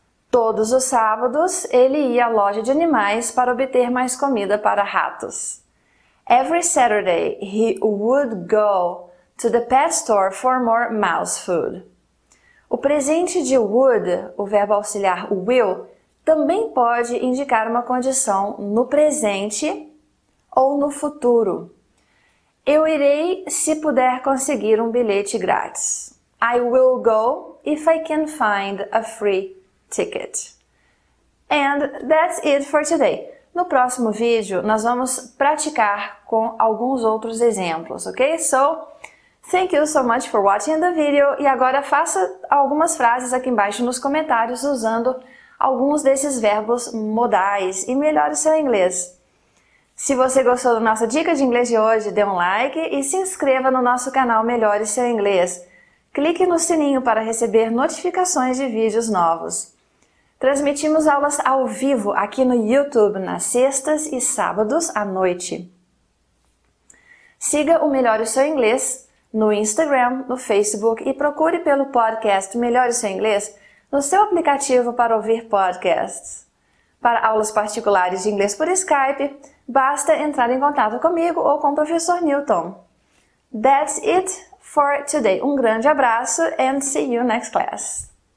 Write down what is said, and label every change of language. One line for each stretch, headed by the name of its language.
Portuguese: Todos os sábados ele ia à loja de animais para obter mais comida para ratos.
English: Every Saturday he would go to the pet store for more mouse food.
Portuguese: O presente de would, o verbo auxiliar will, também pode indicar uma condição no presente ou no futuro. Eu irei se puder conseguir um bilhete grátis.
English: I will go if I can find a free ticket. And that's it for today.
Portuguese: No próximo vídeo, nós vamos praticar com alguns outros exemplos, ok?
English: So, thank you so much for watching the video.
Portuguese: E agora faça algumas frases aqui embaixo nos comentários usando alguns desses verbos modais e melhore o seu inglês. Se você gostou da nossa dica de inglês de hoje, dê um like e se inscreva no nosso canal Melhore Seu Inglês. Clique no sininho para receber notificações de vídeos novos. Transmitimos aulas ao vivo aqui no YouTube nas sextas e sábados à noite. Siga o Melhore Seu Inglês no Instagram, no Facebook e procure pelo podcast Melhore Seu Inglês no seu aplicativo para ouvir podcasts. Para aulas particulares de inglês por Skype, basta entrar em contato comigo ou com o professor Newton.
English: That's it for today.
Portuguese: Um grande abraço
English: and see you next class.